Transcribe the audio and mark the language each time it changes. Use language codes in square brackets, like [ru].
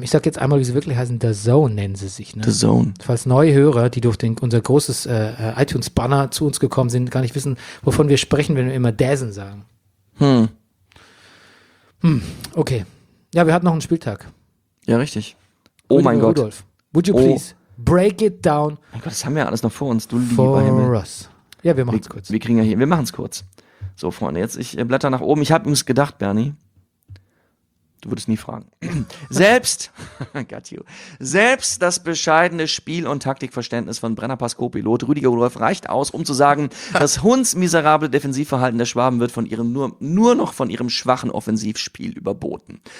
[de] Ich sag jetzt einmal, wie sie wirklich heißen, The Zone nennen sie sich. Ne? The Zone. Falls neue Hörer, die durch unser großes iTunes-Banner zu uns gekommen sind, gar nicht wissen, wovon wir sprechen, wenn wir immer Dazen sagen. Hm, okay. Ja, wir hatten noch einen Spieltag. Ja, richtig. Oh mein Gott. [en] Rudolf, would you please break it down? [de] Mein Gott, das haben wir ja alles noch vor uns, du lieber Himmel. [en] For us. [de] Ja, wir machen es kurz. Wir kriegen ja hier, wir machen es kurz. So, Freunde, jetzt, ich blätter nach oben. Ich habe übrigens gedacht, Bernie, du würdest nie fragen. Selbst, [en] got you, [de] selbst das bescheidene Spiel- und Taktikverständnis von Brennerpass Co-Pilot Rüdiger Rudolf reicht aus, um zu sagen, das hundsmiserable Defensivverhalten der Schwaben wird von ihrem nur noch von ihrem schwachen Offensivspiel überboten.